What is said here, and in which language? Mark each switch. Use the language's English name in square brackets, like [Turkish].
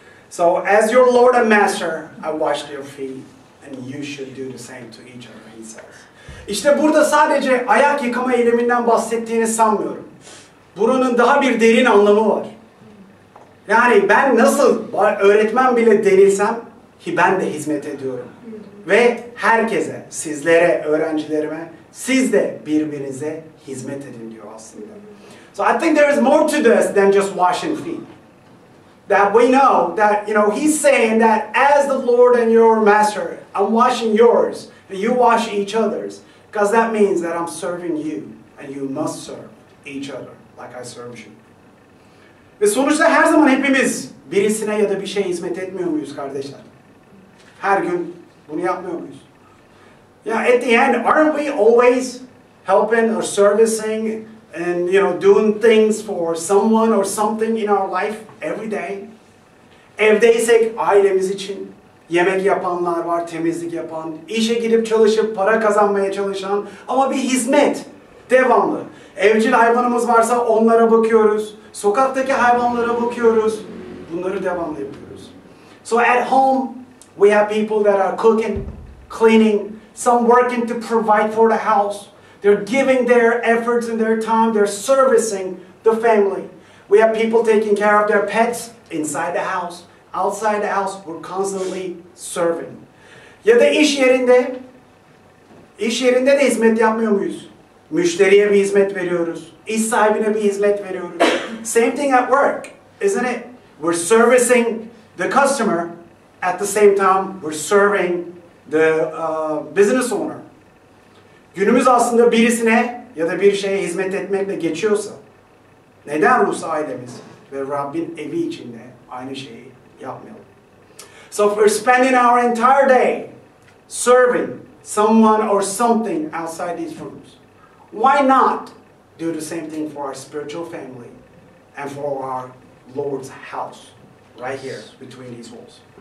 [English] So as your Lord and Master, I washed your feet and you should do the same to each other, he says. [Turkish] İşte burada sadece ayak yıkama eyleminden bahsettiğini sanmıyorum. Bunun daha bir derin anlamı var. Yani ben nasıl öğretmen bile denilsem ki ben de hizmet ediyorum. Ve herkese, sizlere, öğrencilerime, siz de birbirinize hizmet edin diyor aslında. [English] So I think there is more to this than just washing feet. That we know that, you know, he's saying that as the Lord and your master, I'm washing yours, and you wash each other's. Because that means that I'm serving you, and you must serve each other like I serve you. [Turkish] Ve sonuçta her zaman hepimiz birisine ya da bir şeye hizmet etmiyor muyuz kardeşler? Her gün bunu yapmıyor muyuz? [English] Yeah, at the end, aren't we always helping or servicing and, you know, doing things for someone or something in our life every day? [Turkish] Evdeysek ailemiz için yemek yapanlar var, temizlik yapan, işe gidip çalışıp para kazanmaya çalışan ama bir hizmet devamlı. Evcil hayvanımız varsa onlara bakıyoruz, sokaktaki hayvanlara bakıyoruz, bunları devamlı yapıyoruz. [English] So at home, we have people that are cooking, cleaning, some working to provide for the house. They're giving their efforts and their time. They're servicing the family. We have people taking care of their pets inside the house. Outside the house, we're constantly serving. [Turkish] Ya da iş yerinde de hizmet yapmıyor muyuz? Müşteriye bir hizmet veriyoruz. İş sahibine bir hizmet veriyoruz. [English] Same thing at work, isn't it? We're servicing the customer at the same time we're serving the business owner. [Turkish] Günümüz aslında birisine ya da bir şeye hizmet etmekle geçiyorsa, neden ruhsal ailemiz ve Rabbin evi içinde aynı şeyi yapmayalım? [English] So if we're spending our entire day serving someone or something outside these rooms, why not do the same thing for our spiritual family and for our Lord's house right here between these walls?